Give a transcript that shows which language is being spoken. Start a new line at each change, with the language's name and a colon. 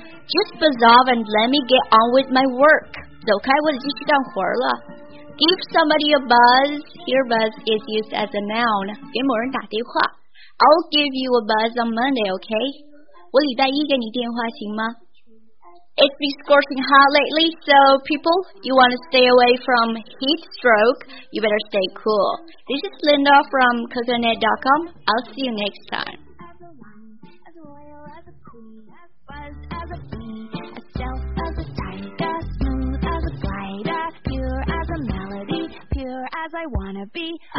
English: Just buzz off and let me get on with my work
Chinese: 走开我得继续干活了。
English: Give somebody a buzz. Here buzz is used as a noun.
Chinese: 给某人打电话。
English: I'll give you a buzz on Monday, okay?
Chinese: 我礼拜一给你电话行吗？
English: It's been scorching hot lately, so people, you want to stay away from heat stroke, you better stay cool. This is Linda from coconut.com. I'll see you next time. As a lion, as a royal, as a queen, as buzz, as a bee, as stealth, as a tiger, smooth as a glider, pure as a melody, pure as I wanna be.